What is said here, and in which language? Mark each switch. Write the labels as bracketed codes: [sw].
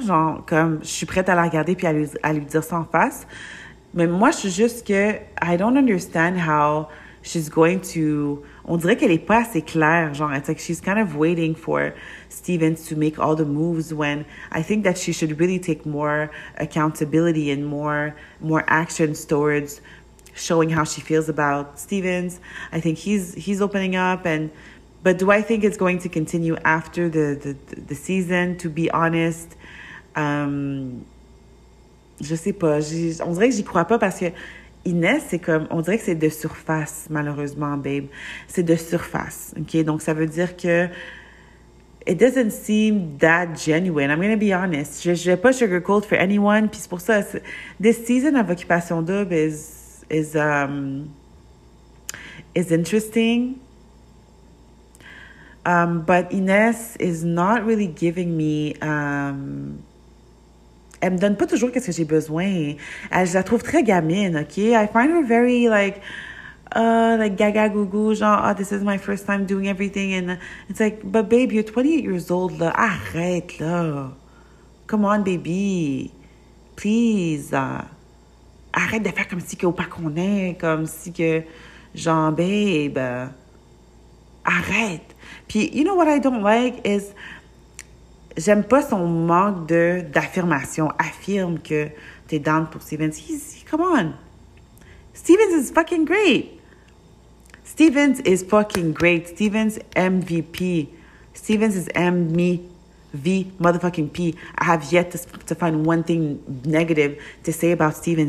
[fr] Genre, comme, je suis prête à la regarder puis à lui dire ça en face. Mais moi, je suis juste que, [en] I don't understand how she's going to... [fr] On dirait qu'elle est pas assez claire, genre. [en] It's like she's kind of waiting for Stevens to make all the moves when I think that she should really take more accountability and more actions towards showing how she feels about Stevens. I think he's opening up, but do I think it's going to continue after the season? To be honest, [fr] je sais pas. On dirait que j'y crois pas parce que Inès, c'est comme, on dirait que c'est de surface, malheureusement, babe. C'est de surface, OK? Donc, ça veut dire que [en] it doesn't seem that genuine. I'm going to be honest. [fr] Je ne vais pas sugarcoat [en] for anyone. [fr] Puis c'est pour ça, [en] this season of Occupation Double is interesting. But Inès is not really giving me... [fr] elle me donne pas toujours qu'est-ce que j'ai besoin. Je la trouve très gamine, [en] OK? I find her very, like gaga gougou, genre, oh, this is my first time doing everything. And it's like, but babe, you're 28 years old, là. [fr] Arrête, là. [en] Come on, baby. Please. [fr] Arrête de faire comme si que ou pas qu'on est, comme si que, genre, babe. Arrête. [en] Puis, you know what I don't like is... [fr] J'aime pas son manque d'affirmation. Affirme que t'es down pour Stevens. [en] Come on. Stevens is fucking great. Stevens is fucking great. Stevens MVP. Stevens is MVP motherfucking P. I have yet to find one thing negative to say about Stevens.